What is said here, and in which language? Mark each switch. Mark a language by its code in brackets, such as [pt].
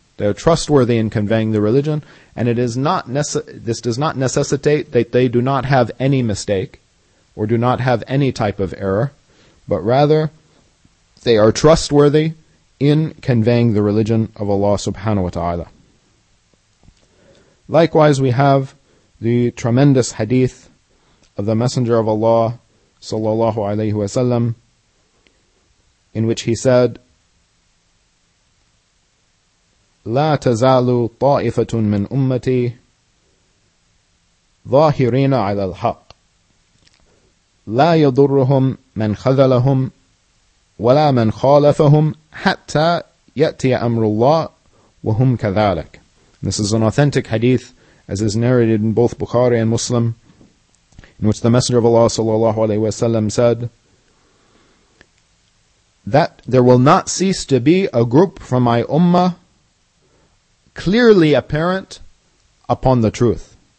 [en] They are trustworthy in conveying the religion, and it is not this does not necessitate that they do not have any mistake or do not have any type of error, but rather they are trustworthy in conveying the religion of Allah subhanahu wa ta'ala. Likewise, we have the tremendous hadith of the Messenger of Allah sallallahu alayhi wa sallam, in which he said, [ar] لا تزال طائفة من أمتي ظاهرين على الحق لا يضرهم من خذلهم ولا من خالفهم حتى يأتي أمر الله وهم كذلك. [en] This is an authentic hadith, as is narrated in both Bukhari and Muslim, in which the Messenger of Allah sallallahu alaihi wasallam said that there will not cease to be a group from my ummah clearly apparent upon the truth.